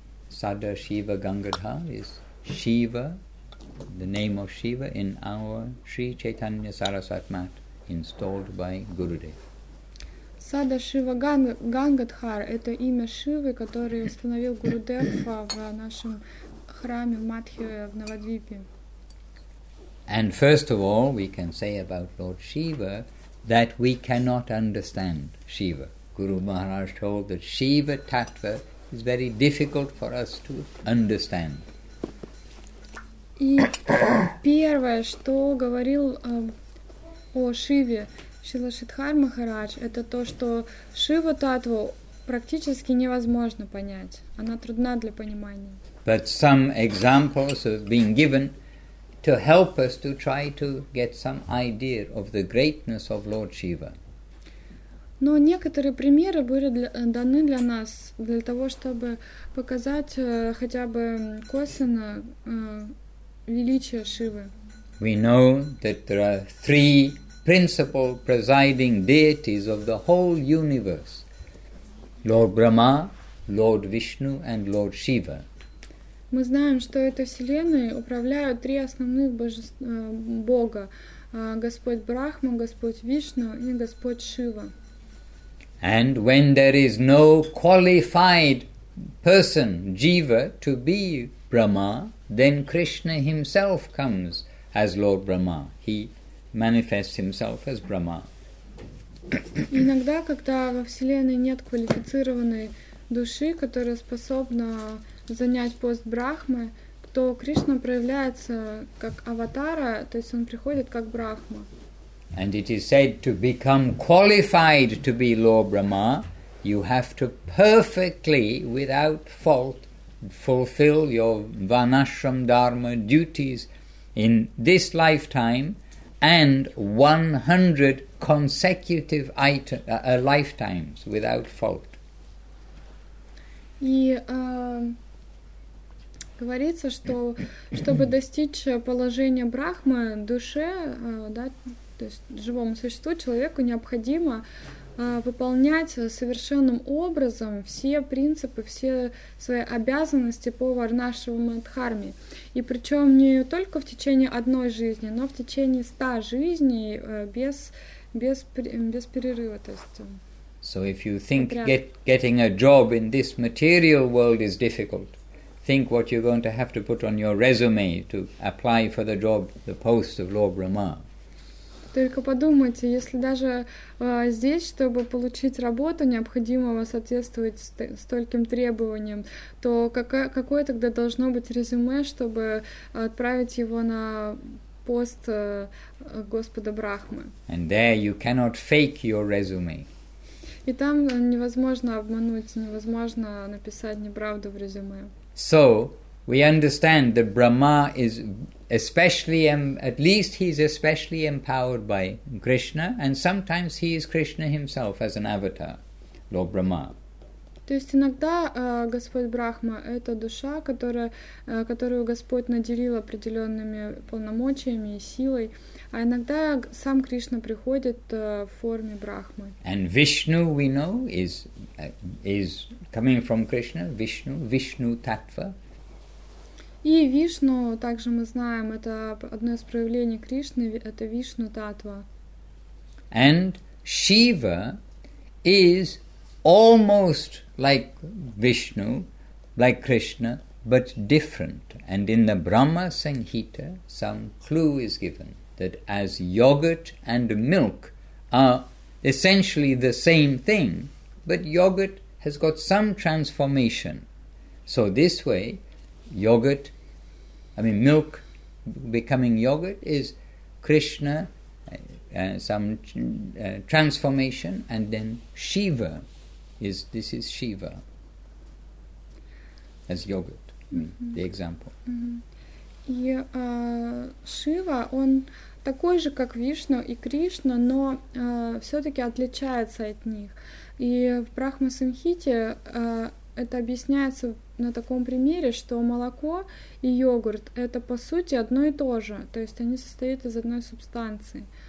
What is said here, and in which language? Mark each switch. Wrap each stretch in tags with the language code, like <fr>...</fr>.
<en>Sadashiva Gangadha is Shiva, the name of Shiva in our Sri Chaitanya Sarasat mat installed by Gurudev.</en> <ru>Сада Шива Гангадхар – это имя Шивы, которое установил Гуру Дева в нашем храме в Матхе в Навадвипе.</ru> <en>And first of all, we can say about Lord Shiva that we cannot understand Shiva. Guru Maharaj told that Shiva Tattva is very difficult for us to understand.</en> <ru>И первое, что говорил о Шиве Шрила Шридхар Махарадж, это то, что Шива Татву практически невозможно понять. Она трудна для понимания.</ru> <en>But some examples have been given to help us to try to get some idea of the greatness of Lord Shiva.</en> <ru>Но некоторые примеры были даны для нас, для того, чтобы показать хотя бы косвенно величие Шивы.</ru> <en>We know that there are three principal presiding deities of the whole universe: Lord Brahma, Lord Vishnu, and Lord Shiva.</en> <ru>Мы знаем, что этой вселенной управляют три основных бога: Господь Брахма, Господь Вишну и Господь Шива.</ru> <en>And when there is no qualified person, Jiva, to be Brahma, then Krishna himself comes as Lord Brahma. He manifests himself as Brahma.</en> <ru>Иногда, когда во вселенной нет квалифицированной души, которая способна занять пост Брахмы, то Кришна проявляется как аватара, то есть он приходит как Брахма.</ru> <en>And it is said to become qualified to be Lord Brahma, you have to perfectly, without fault, fulfill your vanashram dharma duties in this lifetime and 100 consecutive lifetimes without fault.</en> <ru>И говорится, что чтобы достичь положения Брахмы, душе, да, то есть живому существу, человеку необходимо выполнять совершенным образом все принципы, все свои обязанности по варнашрама дхарме. И причем не только в течение одной жизни, но в течение 100 жизней без перерыва. То есть,</ru> <en>so if you think getting a job in this material world is difficult, think what you're going to have to put on your resume to apply for the job, the post of Lord Brahma.</en> <ru>Только подумайте, если даже здесь, чтобы получить работу, необходимо соответствовать стольким требованиям, то какое тогда должно быть резюме, чтобы отправить его на пост Господа Брахмы?</ru> <en>And there you cannot fake your resume.</en> <ru>И там невозможно обмануть, невозможно написать неправду в резюме.</ru> <en>So we understand that Brahma is especially, at least he is especially empowered by Krishna, and sometimes he is Krishna himself as an avatar, Lord Brahma.</en> <ru>То есть иногда Господь Брахма – это душа, которую Господь наделил определенными полномочиями и силой, а иногда сам Кришна приходит в форме Брахмы.</ru> <en>And Vishnu, we know, is coming from Krishna, Vishnu Tattva.</en> <ru>И Вишну, также мы знаем, это одно из проявлений Кришны, это Вишну Татва.</ru> <en>And Shiva is almost like Vishnu, like Krishna, but different. And in the Brahma Sanhita, some clue is given that as yogurt and milk are essentially the same thing, but yogurt has got some transformation. So this way, milk becoming yogurt is Krishna, transformation, and then Shiva is Shiva as yogurt, mm-hmm. The example.</en> <ru>Mm-hmm. И Шива, он такой же, как Вишну и Кришна, но все-таки отличается от них. И в Брахма-самхите это объясняется на таком примере, что молоко и йогурт — это, по сути, одно и то же, то есть они состоят из одной субстанции.</ru>